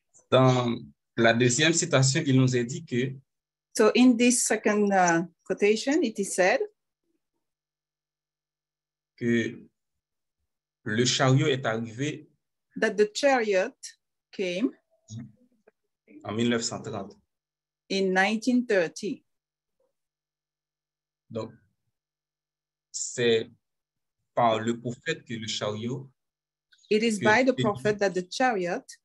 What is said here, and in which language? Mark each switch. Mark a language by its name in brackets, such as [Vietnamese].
[French] Dans la deuxième citation, il nous est dit que. [English] So in this second quotation, it is said [French] que le chariot est arrivé. [English] That the chariot came. [French] En 1930. [English] In 1930. [French] Donc, c'est par le prophète que le chariot. [English] It is by the prophet that the chariot